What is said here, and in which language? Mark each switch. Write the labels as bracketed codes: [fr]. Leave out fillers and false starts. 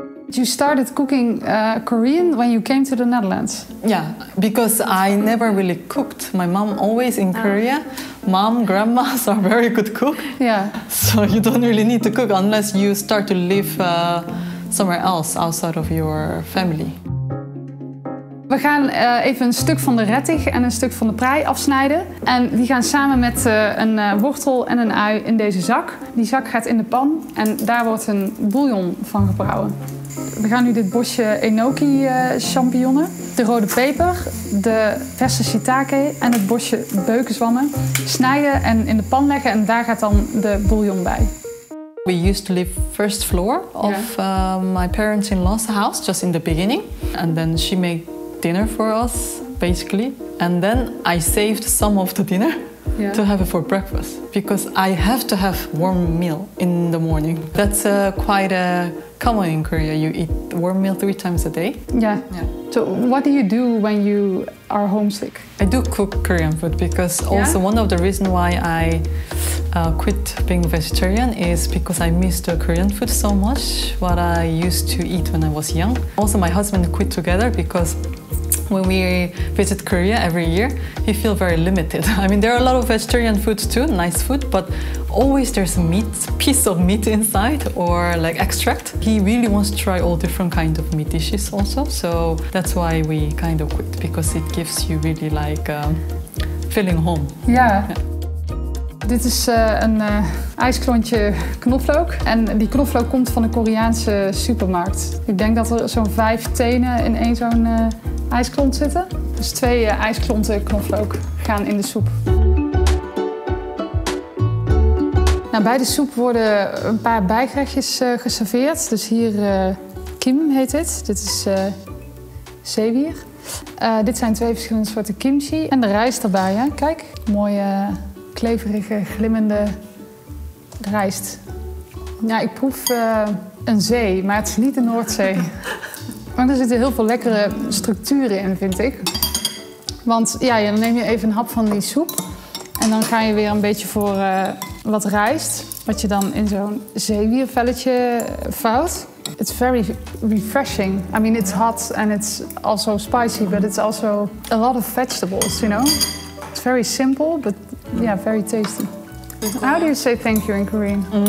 [en] You started cooking Korean when you came to the Netherlands? Yeah, because I never really cooked. My mom always in Korea. Mom, grandmas are very good cook. Yeah. So you don't really need to cook unless you start to live somewhere else outside of your family. [nl] We gaan even een stuk van de rettig en een stuk van de prei afsnijden. En die gaan samen met een wortel en een ui in deze zak. Die zak gaat in de pan en daar wordt een bouillon van gebrouwen. We gaan nu dit bosje enoki champignonnen, de rode peper, de verse shiitake en het bosje beukenzwammen snijden en in de pan leggen en daar gaat dan de bouillon bij. [en] We used to live first floor of my parents in law's house just in the beginning, and then she made dinner for us basically, and then I saved some of the dinner to have it for breakfast because I have to have warm meal in the morning. That's quite a common in Korea. You eat warm meal 3 times a day. Yeah. So what do you do when you are homesick? I do cook Korean food because also one of the reasons why I quit being vegetarian is because I missed the Korean food so much, what I used to eat when I was young. Also my husband quit together because when we visit Korea every year, he feels very limited. I mean, there are a lot of vegetarian foods too, nice food, but always there's a meat, piece of meat inside or like extract. He really wants to try all different kinds of meat dishes also. So that's why we kind of quit, because it gives you really like feeling home. Yeah. [nl] Dit is een ijsklontje knoflook. En die knoflook komt van een Koreaanse supermarkt. Ik denk dat er zo'n 5 tenen in één zo'n ijsklont zitten. Dus 2 ijsklonten knoflook gaan in de soep. Nou, bij de soep worden een paar bijgerechtjes geserveerd. Dus hier kim heet dit. Dit is zeewier. Dit zijn 2 verschillende soorten kimchi. En de rijst erbij, hè? Kijk. Mooie kleverige, glimmende rijst. Ja, ik proef een zee, maar het is niet de Noordzee. Maar er zitten heel veel lekkere structuren in, vind ik. Want ja, dan neem je even een hap van die soep en dan ga je weer een beetje voor wat rijst, wat je dan in zo'n zeewiervelletje vouwt. [en] It's very refreshing. I mean, it's hot and it's also spicy, but it's also a lot of vegetables, you know? It's very simple, but yeah, very tasty. How do you say thank you in Korean?